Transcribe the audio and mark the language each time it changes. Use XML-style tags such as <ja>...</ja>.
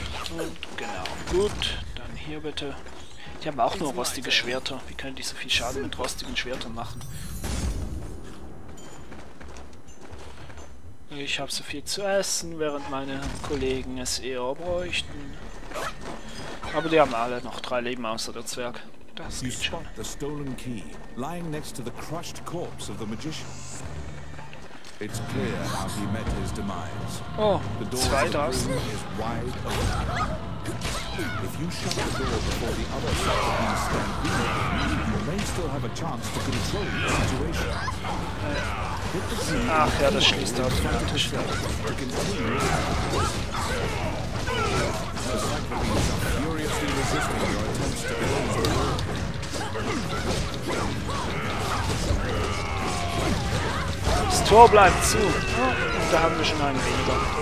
<de>Und genau, gut. Dann hier bitte. Die haben auch nur rostige Schwerter. Wie können die so viel Schaden mit rostigen Schwertern machen? Ich habe so viel zu essen, während meine Kollegen es eher bräuchten. Aber die haben alle noch drei Leben außer der Zwerg. Das geht schon.</de> <en>The stolen key lying next to the crushed corpse of the magician. It's clear how he met his demise. Oh, the door is wide open. If you shut the door before the other side of these stampede, you may still have a chance to control the situation.</en> <de>Ach ja, das schließt automatisch. Das Tor bleibt zu. Und da haben wir schon einen weniger.</de>